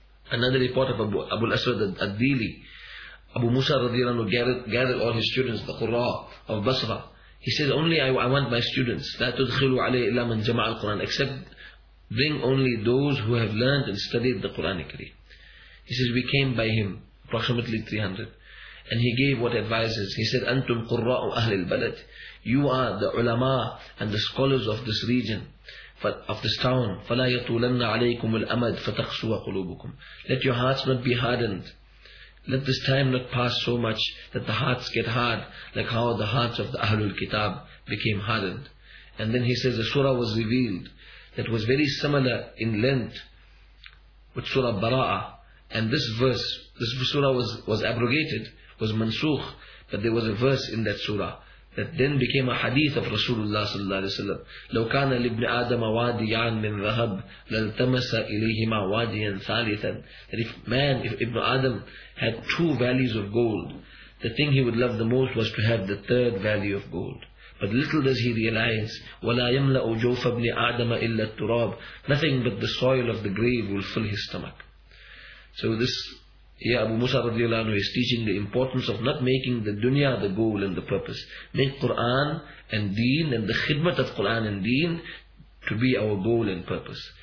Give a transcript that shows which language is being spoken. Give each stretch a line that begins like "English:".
English: Another report of Abu al-Aswad al-Dili, Abu Musa radiallahu anhu gathered all his students, the Qurra of Basra. He says, only I want my students,
Arabic: لا تدخلوا عليه إلا من جمع القرآن,
English: except bring only those who have learned and studied the Qur'an Kareem. He says, we came by him, approximately 300. And he gave what advises.
Arabic: He said, أنتم قراء أهل البلد.
English: You are the ulama and the scholars of this region, of this town.
Arabic: فلا يطولن عليكم الأمد فتقسوا قلوبكم.
English: Let your hearts not be hardened. Let this time not pass so much that the hearts get hard, like how the hearts of the Ahlul Kitab became hardened. And then he says a surah was revealed that was very similar in length with Surah Bara'ah. And this surah was abrogated, was mansukh, but there was a verse in that surah that then became a hadith of Rasulullah sallallahu alaihi wasallam.
Arabic: لو كان لابن آدم واديان من ذهب لالتمس إليهما واديان ثالثا.
English: That if Ibn Adam had two valleys of gold, the thing he would love the most was to have the third valley of gold. But little does he realize,
Arabic: ولا يملأ جوف ابن آدم إلا التراب.
English: Nothing but the soil of the grave will fill his stomach. So this, here Abu Musa radiallahu anhu is teaching the importance of not making the dunya the goal and the purpose. Make Quran and deen and the khidmat of Quran and deen to be our goal and purpose.